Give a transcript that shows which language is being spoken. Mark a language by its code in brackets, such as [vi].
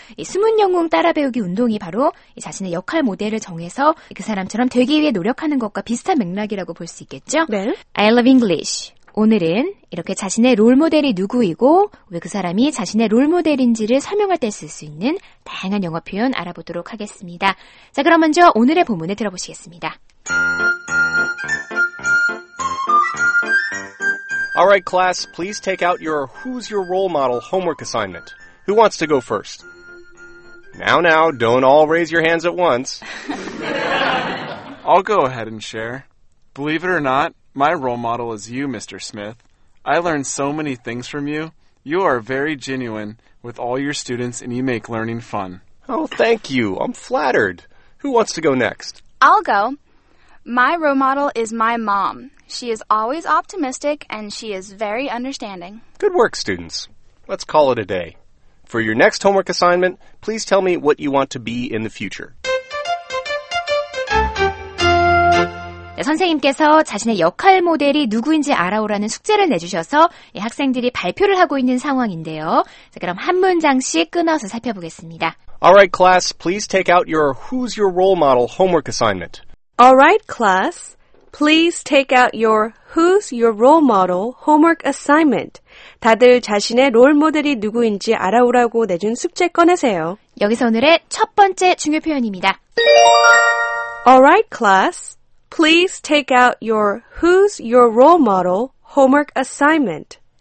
[ko] 이 숨은 영웅 따라 배우기 운동이 바로 이 자신의 역할 모델을 정해서 그 사람처럼 되기 위해 노력하는 것과 비슷한 맥락이라고 볼 수 있겠죠? 네. [en] I love English. [ko] 오늘은 이렇게 자신의 롤모델이 누구이고 왜 그 사람이 자신의 롤모델인지를 설명할 때 쓸 수 있는 다양한 영어 표현 알아보도록 하겠습니다. 자, 그럼 먼저 오늘의 본문에 들어보시겠습니다. [en] All right, class, please take out your Who's Your Role Model homework assignment. Who wants to go first? Now, now, don't all raise your hands at once. I'll go ahead and share. Believe it or not, my role model is you, Mr. Smith. I learned so many things from you. You are very genuine with all your students, and you make learning fun. Oh, thank you. I'm flattered. Who wants to go next? I'll go. My role model is my mom. She is always optimistic, and she is very understanding. Good work, students. Let's call it a day. For your next homework assignment, please tell me what you want to be in the future. [ko] 선생님께서 자신의 역할 모델이 누구인지 알아오라는 숙제를 내주셔서 학생들이 발표를 하고 있는 상황인데요. 자, 그럼 한 문장씩 끊어서 살펴보겠습니다. [en] Alright, class, please take out your Who's Your Role Model homework assignment. Alright, class, please take out your Who's Your Role Model homework assignment. [ko] 다들 자신의 롤 모델이 누구인지 알아오라고 내준 숙제 꺼내세요. 여기서 오늘의 첫 번째 중요 표현입니다. [en] Alright, class, please take out your Who's Your Role Model homework assignment.